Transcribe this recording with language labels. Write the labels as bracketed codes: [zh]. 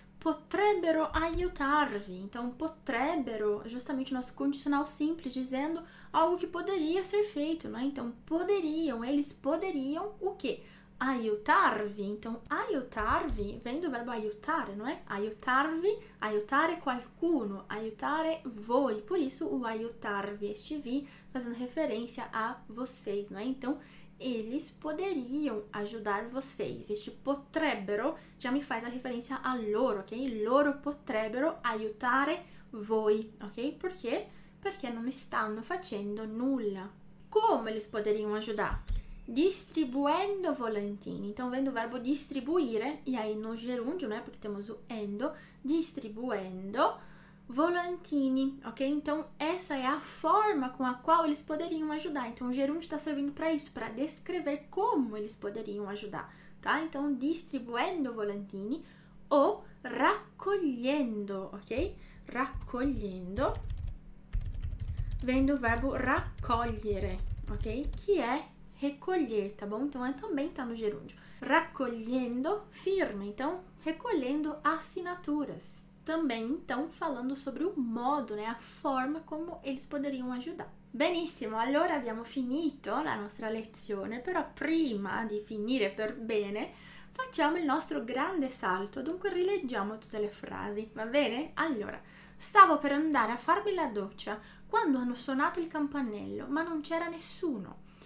[it] Potrebbero aiutarvi. [pt] Então, potrebbero, justamente o nosso condicional simples, dizendo algo que poderia ser feito, não é? Então, poderiam, eles poderiam o quê? Aiutarvi. Então, aiutarvi vem do verbo aiutare, não é? [it] Aiutarvi, aiutare qualcuno, aiutare voi. [pt] Por isso, o aiutarvi, este vi, fazendo referência a vocês, não é? Então, eles poderiam ajudar vocês. Este potrebbero já me faz a referência a loro, ok? [it] Loro potrebbero aiutare voi, ok? [pt] Por quê? [it] Porque non stanno facendo nulla. [pt] Como eles poderiam ajudar? [it] Distribuendo volantini. [pt] Então, vem do verbo distribuire, e aí no gerúndio, né? Porque temos o endo, distribuendo Volantini, ok? Então, essa é a forma com a qual eles poderiam ajudar. Então, o gerúndio está servindo para isso, para descrever como eles poderiam ajudar, tá? Então, [it] distribuendo volantini [pt] ou raccogliendo, ok? Raccogliendo vem do verbo raccogliere, ok? Que é recolher, tá bom? Então, também está no gerúndio. Raccogliendo, firma, então, recolhendo assinaturas. Também, então, falando sobre o modo, né, a forma como eles poderiam ajudar. [it] Benissimo, allora abbiamo finito la nostra lezione, però prima di finire per bene, facciamo il nostro grande salto, dunque rileggiamo tutte le frasi, va bene? Allora, stavo per andare a farmi la doccia quando hanno suonato il campanello, ma non c'era nessuno.